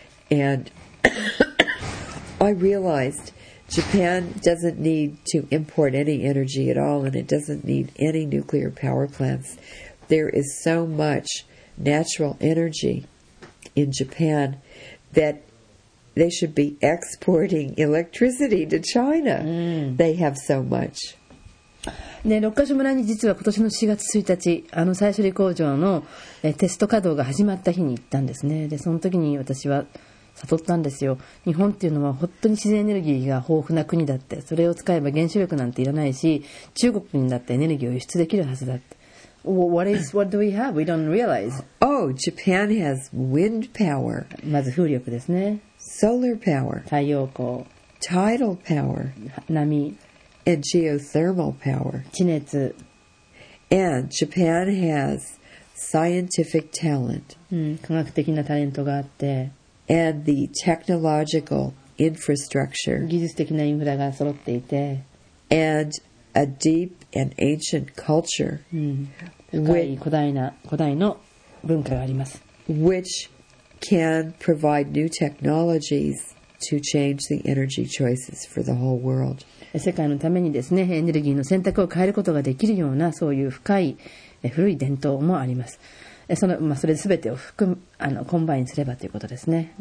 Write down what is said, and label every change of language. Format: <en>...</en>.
<en>And I realized Japan doesn't need to import any energy at all, and it doesn't need any nuclear power plants. There is so much natural energy in Japan that they should be exporting electricity to China. They have so much.</en> <ja>ね、六ヶ所村に実は今年の4月1日、再処理工場のテスト稼働が始まった日に行ったんですね。で、その時に私は悟ったんですよ。日本っていうのは本当に自然エネルギーが豊富な国だって、それを使えば原子力なんていらないし、中国にだってエネルギーを輸出できるはずだって。</ja> <en>What do we have? We don't realize. Oh, Japan has wind power.</en> <ja>まず風力ですね。</ja> <en>Solar power.</en> <ja>太陽光。</ja> <en>Tidal power.</en> <ja>波。</ja> <en>And geothermal power.</en> <ja>地熱。</ja> <en>And Japan has scientific talent.</en> <ja>科学的なタレントがあって。</ja> <en>And the technological infrastructure.</en> <ja>技術的なインフラが揃っていて。</ja> <en>And a deep and ancient culture.</en> <ja>深い古代の文化があります。</ja> <en>Which can provide new technologies to change the energy choices for the whole world.</en> <ja>世界のためにですね、エネルギーの選択を変えることができるような、そういう深い古い伝統もあります。その、まあ、それ全てを含む、コンバインすればということですね。</ja>